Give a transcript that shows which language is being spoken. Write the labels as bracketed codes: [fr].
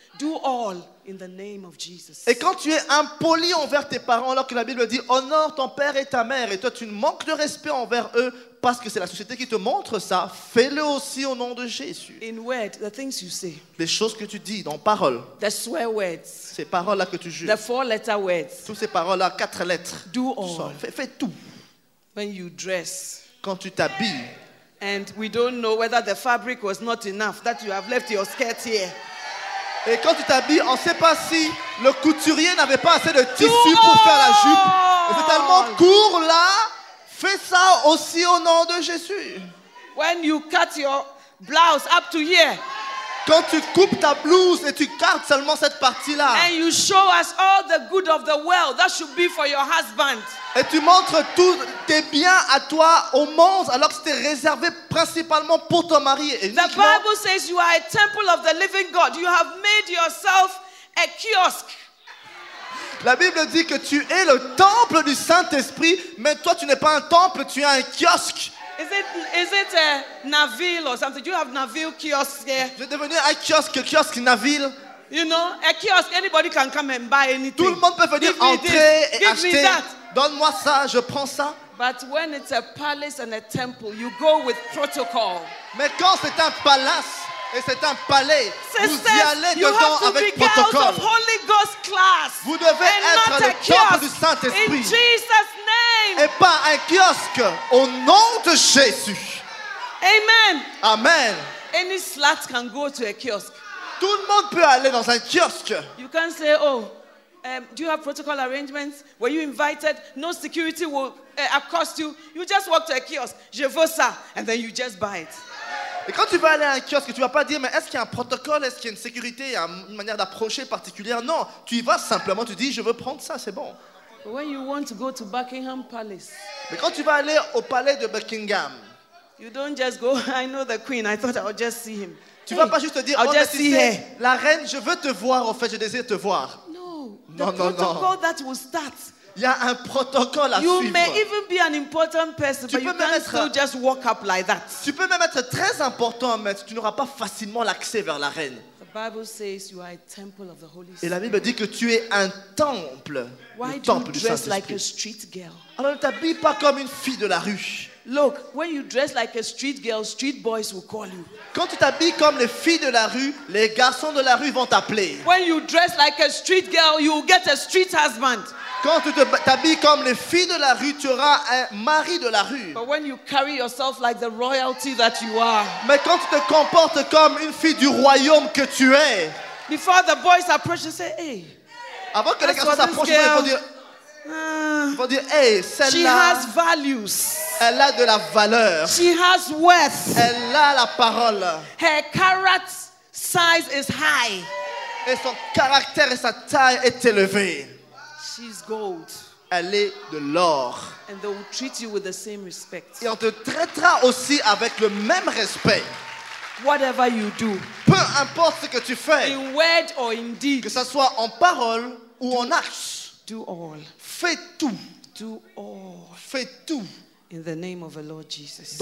[en] Do all in the name of Jesus. [fr] Et quand tu es impoli envers tes parents, alors que la Bible dit, honore ton père et ta mère, et toi tu manques de respect envers eux, parce que c'est la société qui te montre ça, fais-le aussi au nom de Jésus. [en] In word, the things you say. [fr] Les choses que tu dis dans parole. [en] The swear words. [fr] Ces paroles-là que tu jures. [en] The four-letter words. [fr] Toutes ces paroles-là, quatre lettres. [en] Do all. [fr] Fais tout. [en] When you dress. [fr] Quand tu t'habilles. [en] And we don't know whether the fabric was not enough that you have left your skirt here. [fr] Et quand tu t'habilles, on ne sait pas si le couturier n'avait pas assez de tissu pour faire la jupe. Et c'est tellement court là. Fais ça aussi au nom de Jésus. [en] When you cut your blouse up to here. [fr] Quand tu coupes ta blouse et tu gardes seulement cette partie-là. [en] And you show us all the good of the world that should be for your husband. [fr] Et tu montres tous tes biens à toi au monde alors que c'était réservé principalement pour ton mari. Et [en] the Bible says you are a temple of the living God. You have made yourself a kiosk. [fr] La Bible dit que tu es le temple du Saint-Esprit, mais toi tu n'es pas un temple, tu es un kiosque. [en] Is it a Naville or something? Do you have Naville kiosque? [fr] Tu es devenu un kiosque, Naville. [en] You know, a kiosque, anybody can come and buy anything. [fr] Tout le monde peut venir [en] give [fr] entrer [en] this, [fr] et [en] give [fr] acheter. [en] Me that. [fr] Donne-moi ça, je prends ça. [en] But when it's a palace and a temple, you go with protocol. [fr] Mais quand c'est un palace et c'est un palais. [en] Sisters, [fr] vous y allez dedans avec protocole. Vous devez être le temple du Saint-Esprit. [en] In Jesus name. [fr] Et pas un kiosque au nom de Jésus. [en] Amen. Amen. Any slut can go to a kiosk. [fr] Tout le monde peut aller dans un kiosque. [en] You can say, oh, do you have protocol arrangements? Were you invited? No security will accost you. You just walk to a kiosk. [fr] Je veux ça. [en] And then you just buy it. [fr] Et quand tu vas aller à un kiosque, tu vas pas dire mais est-ce qu'il y a un protocole, est-ce qu'il y a une sécurité, il y a une manière d'approcher particulière. Non, tu y vas simplement, tu dis je veux prendre ça, c'est bon. [en] When you want to go to Buckingham Palace. [fr] Mais quand tu vas aller au palais de Buckingham. [en] You don't just go, I know the queen, I thought I would just see him. [fr] Tu vas pas juste te dire, la reine, je veux te voir, en fait, je désire te voir. [en] Non. That will start. [fr] Il y a un protocole à [en] you [fr] suivre. [en] You may even be an important person, but you can't still just walk up like that. [fr] Tu peux même être très important, mais tu n'auras pas facilement l'accès vers la reine. [en] The Bible says you are a temple of the Holy Spirit. [fr] Et la Bible dit que tu es un temple, [en] why [fr] le temple [en] do you dress [fr] du Saint-Esprit. [en] Like a street girl? [fr] Alors ne t'habille pas comme une fille de la rue. [en] Look, when you dress like a street girl, street boys will call you. [fr] Quand tu t'habilles comme les filles de la rue, les garçons de la rue vont t'appeler. [en] When you dress like a street girl, you will get a street husband. [fr] Quand tu t'habilles comme les filles de la rue, tu auras un mari de la rue. [en] But when you carry yourself like the royalty that you are. [fr] Mais quand tu te comportes comme une fille du royaume que tu es. [en] Before the boys approach and say, hey. [fr] Avant que les garçons s'approchent, ils vont dire. Hey, celle-là, [en] she has values. [fr] Elle a de la valeur. [en] She has worth. [fr] Elle a la parole. [en] Her carat size is high. [fr] Et son caractère et sa taille est élevée. [en] She's gold. [fr] Elle est de l'or. [en] And they will treat you with the same respect. [fr] Et on te traitera aussi avec le même respect. [en] Whatever you do. [fr] Peu importe ce que tu fais. [en] In word or in deed. [fr] Que ce soit en parole ou en acte. [en] Do all. [fr] Fais tout. [en] Do all. [fr] Fais tout. [en] In the name of the Lord Jesus.